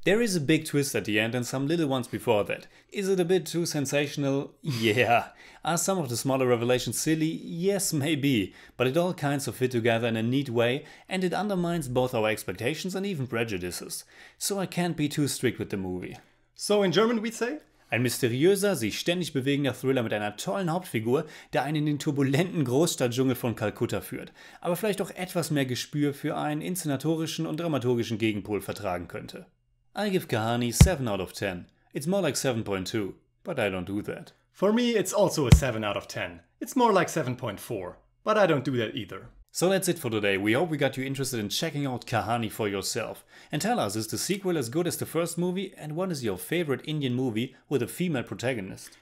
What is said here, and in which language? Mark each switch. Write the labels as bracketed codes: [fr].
[en] There is a big twist at the end and some little ones before that. Is it a bit too sensational? Yeah. Are some of the smaller revelations silly? Yes, maybe. But it all kind of fit together in a neat way, and it undermines both our expectations and even prejudices. So I can't be too strict with the movie. So in German we'd say? [de] Ein mysteriöser, sich ständig bewegender Thriller mit einer tollen Hauptfigur, der einen in den turbulenten Großstadtdschungel von Kalkutta führt, aber vielleicht auch etwas mehr Gespür für einen inszenatorischen und dramaturgischen Gegenpol vertragen könnte. [en] I give Kahaani 7 out of 10. It's more like 7.2, but I don't do that. For me, it's also a 7 out of 10. It's more like 7.4, but I don't do that either. So that's it for today. We hope we got you interested in checking out Kahaani for yourself. And tell us, is the sequel as good as the first movie? And what is your favorite Indian movie with a female protagonist?